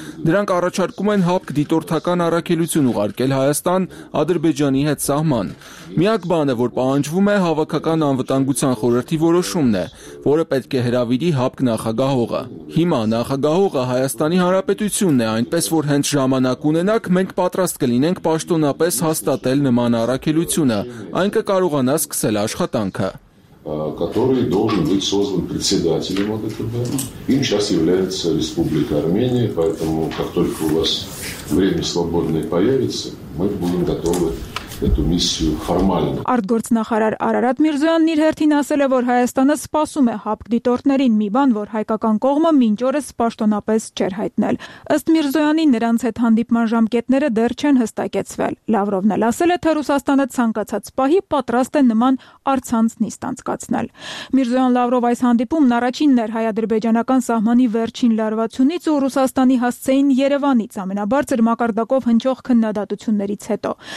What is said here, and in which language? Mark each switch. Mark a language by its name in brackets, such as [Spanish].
[Armenian] Նրանք առաջարկում են ՀԱՊԿ դիտորդական առաքելություն ուղարկել Հայաստան Ադրբեջանի հետ սահման։ Միակ բանը, որ պահանջվում է, հավաքական անվտանգության խորհրդի որոշումն է, որը պետք է հրավիրի ՀԱՊԿ նախագահողը։ Հիմա նախագահողը Հայաստանի Հանրապետությունն է, այնպես որ հենց ժամանակ ունենաք, մենք պատրաստ կլինենք պաշտոնապես հաստատել նման առաքելությունը, այն կկարողանա սկսել աշխատանքը, [Russian] который должен быть создан председателем ОДКБ. Им сейчас является Республика Армения, поэтому как только у вас время свободное появится, мы будем готовы [Armenian] Արդ գործնախարար Արարատ Միրզոյանն իր հերթին ասել է, որ Հայաստանը սպասում է ՀԱՊԿ դիտորդներին, մի բան, որ հայկական կողմը մինչ օրս պաշտոնապես չէր հայտնել։ Ըստ Միրզոյանի, նրանց հետ հանդիպման ժամկետները դեռ չեն հստակեցվել։ Լավրովն էլ ասել է, թե Ռուսաստանը ցանկացած պահի պատրաստ է նման առցանց նիստ անցկացնել։ Միրզոյան Լավրով այս հանդիպումն առաջինն էր հայ-ադրբեջանական սահմանի վերջին լարվածությունից ու Ռուսաստանի հասցեին Երևանից ամենաբարձր մակարդակով հնչող քննադատություններից հետո։